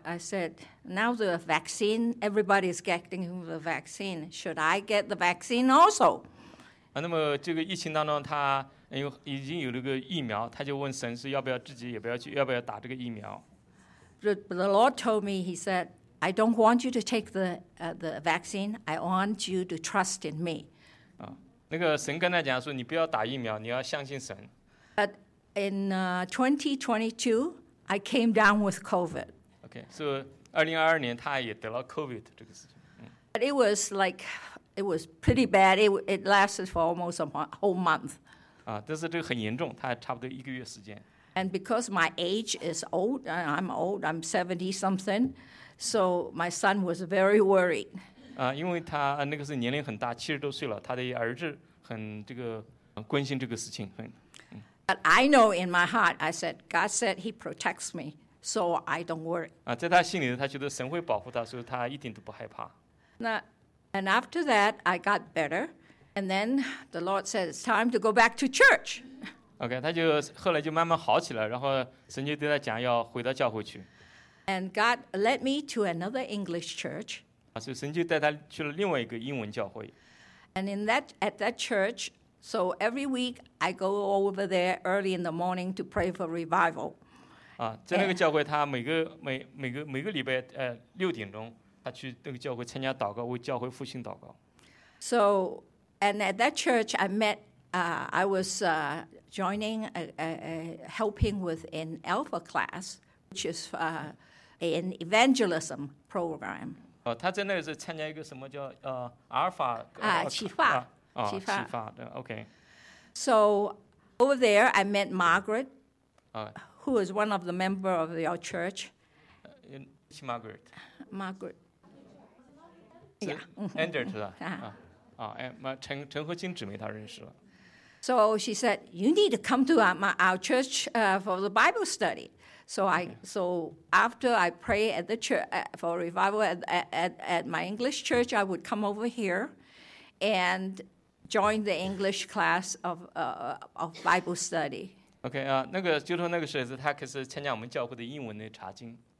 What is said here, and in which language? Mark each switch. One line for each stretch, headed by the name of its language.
English: I said, "Now the vaccine, everybody is getting the vaccine. Should I get the vaccine also?"
Chinese: 那么这个疫情当中，他。已经有了个疫苗，他就问神是要不要自己也不要去，要不要打这个疫苗。
English: But the Lord told me, he said, I don't want you to take the vaccine. I want you to trust in me.
Chinese: 那个神跟他讲说，你不要打疫苗，你要相信神。
English: But in 2022, I came down with COVID.
Chinese: Okay, so 2022年他也得了 COVID 这个事情。
English: But it was like it was pretty bad. It lasted for almost a whole month.
Chinese: 但是这个很严重，他差不多一个月时间。
English: And because my age is old, I'm old. I'm 70 something. So my son was very worried.
Chinese: 因为他那个是年龄很大，七十多岁了，他的儿子很这个关心这个事情。
English: But I know in my heart, I said, God said He protects me, so I don't worry.
Chinese: 在他心里，他觉得神会保护他，所以他一点都不害怕。
English: 那 and after that, I got better, and then the Lord said, it's time to go back to church.
Chinese: Okay, 他就后来就慢慢好起来，然后神就对他讲要回到教会去。
English: And God led me to another English church.
Chinese: 所以神就带他去了另外一个英文教会。
English: And in that, at that church, so every week I go over there early in the morning to pray for revival.
Chinese: 在那个教会，他每个礼拜六点钟，他去那个教会参加祷告，为教会复兴祷告。
English: So, and at that church I met, I was joining, helping with an Alpha class, which is an evangelism program.
Chinese: 他在那里是参加一个什么叫Alpha 启发对 ，OK.
English: So over there, I met Margaret, who is one of the member of your church. Margaret. Yeah.
Chinese: Andert 是吧？陈和金姊妹她认识了。
English: So she said, "You need to come to our church for the Bible study." So I so after I pray at the church for revival at my English church, I would come over here, and join the English class of Bible study.
Chinese: Okay, 那个就从那个时候，他开始参加我们教会的英文的查经。